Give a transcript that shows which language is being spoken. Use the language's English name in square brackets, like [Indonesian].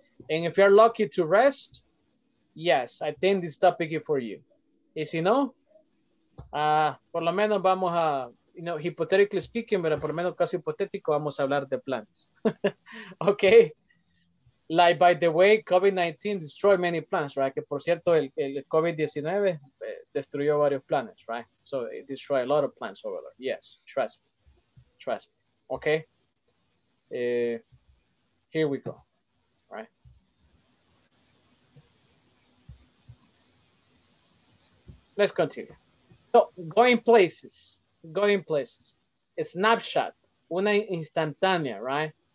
[English] And if you're lucky to rest, yes, I think this topic is for you. [Spanish] Y si no, por lo menos vamos a, [English] you know, hypothetically speaking, [Spanish] pero por lo menos caso hipotético, vamos a hablar de plans. Okay. [English] Like, by the way, COVID-19 destroyed many plans, right? [Spanish] Que por cierto, el COVID-19 destruyó varios planes, right? [English] So it destroyed a lot of plans over there. Yes, trust me. Trust me. Okay. Here we go. Let's continue. So, going places, a snapshot, [Spanish] una instantánea, [English] right?